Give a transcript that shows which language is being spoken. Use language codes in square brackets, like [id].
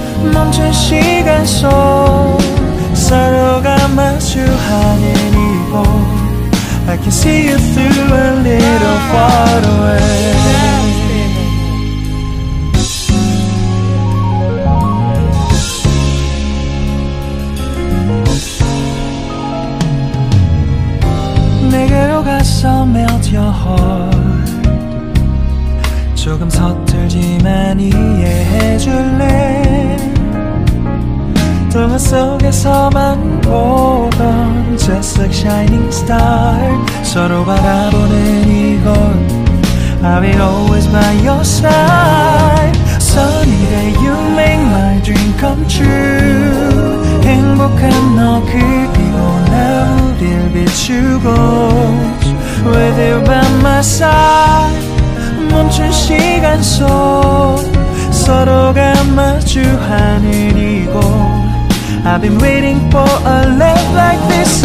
[ko] 멈춘 시간 속 서로가 마주하는 이곳. [en] I can see you through a little far away. [ko] 내게로 가서 [en] melt your heart. [ko] 조금 서툴지만 이해해줄래. 동화 속에서만 보던 [en] just like shining star. [ko] 서로 바라보는 이곳 [en] I'll be always by your side. Sunny day you make my dream come true. [ko] 행복한 너 그리고 나 우릴 비추고 [en] With you by my side. [ko] 멈춘 시간 속 서로가 마주하는 이곳. [en] I've been waiting for a love like this.